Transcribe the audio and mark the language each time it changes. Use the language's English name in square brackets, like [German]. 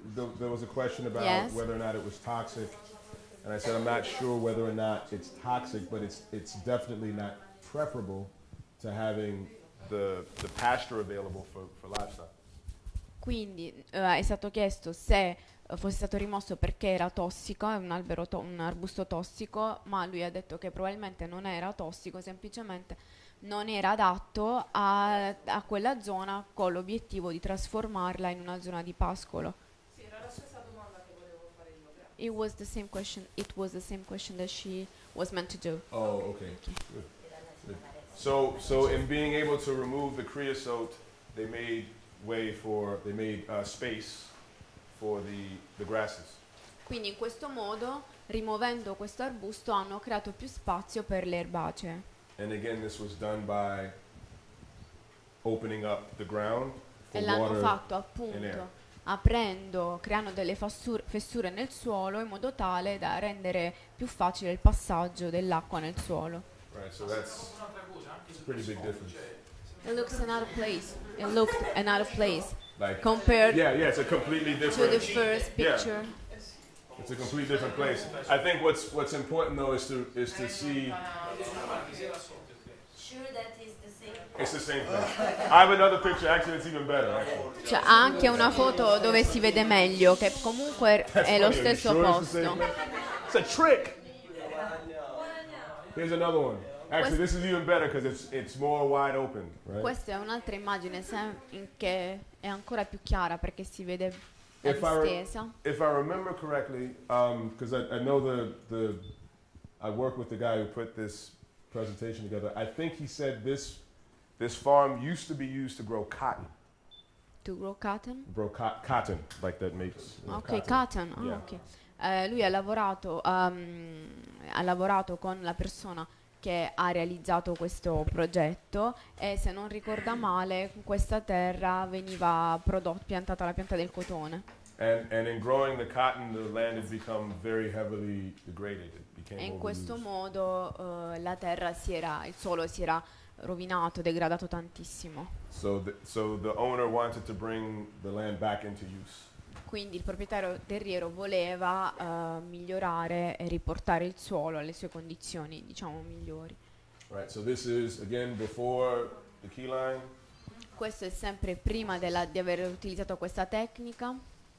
[English] There was a question about whether or not it was toxic, and I said I'm not sure whether or not it's toxic, but it's definitely not preferable to having the pasture available for livestock. [Italian] Quindi è stato chiesto se fosse stato rimosso perché era tossico, è un arbusto tossico, ma lui ha detto che probabilmente non era tossico, semplicemente non era adatto a quella zona con l'obiettivo di trasformarla in una zona di pascolo. Sì, era la stessa domanda che volevo fare io. [English] It was the same question. It was the same question that she was meant to do. Oh, okay. So in being able to remove the creosote, they made space for the grasses. [Italian] Quindi in questo modo, rimuovendo questo arbusto, hanno creato più spazio per le erbacee. [English] And again, this was done by opening up the ground for water and air. [Italian] E l'hanno fatto appunto aprendo, creando delle fessure nel suolo in modo tale da rendere più facile il passaggio dell'acqua nel suolo. [English] Right, so that's a pretty big difference. It looks another place. It looked another place like, compared. Yeah, it's a completely different. To the first picture. Yeah. It's a completely different place. I think what's important though is to see. Sure, that is the same. It's the same thing. I have another picture. Actually, it's even better. [Italian] Cioè, ha anche una foto dove si vede meglio, che comunque è lo stesso posto. [English] It's a trick. Here's another one. Actually, this is even better because it's more wide open. Right? [Italian] Questa è un'altra immagine che è ancora più chiara perché si vede estesa. [English] If I remember correctly, because I know the I work with the guy who put this presentation together. I think he said this farm used to be used to grow cotton. To grow cotton? Cotton, like that makes. Okay, cotton. Oh, yeah. Okay. [Italian] Lui ha lavorato con la persona che ha realizzato questo progetto, e se non ricorda male, questa terra veniva piantata la pianta del cotone. [English] And in growing the cotton, the land had become very heavily degraded. [Italian] E in questo modo la terra il suolo si era rovinato, degradato tantissimo. [English] So the owner wanted to bring the land back into use. [Italian] Quindi il proprietario terriero voleva migliorare e riportare il suolo alle sue condizioni, diciamo, migliori. [English] Right, so this is again before the key line. [Italian] Questo è sempre prima di aver utilizzato questa tecnica.